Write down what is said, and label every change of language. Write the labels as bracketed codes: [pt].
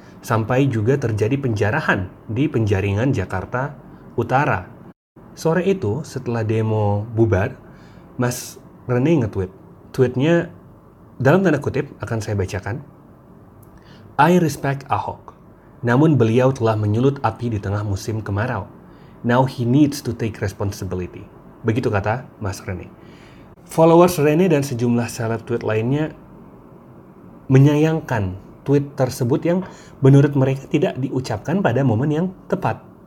[id] Sampai juga terjadi penjarahan di Penjaringan Jakarta Utara. Sore itu, setelah demo bubar, Mas Rene nge-tweet. Tweetnya, dalam tanda kutip, akan saya bacakan. [en] I respect Ahok. [id] Namun beliau telah menyulut api di tengah musim kemarau. [en] Now he needs to take responsibility. [id] Begitu kata Mas Rene. Followers Rene dan sejumlah seleb tweet lainnya menyayangkan tweet tersebut yang menurut mereka tidak diucapkan pada momen yang tepat.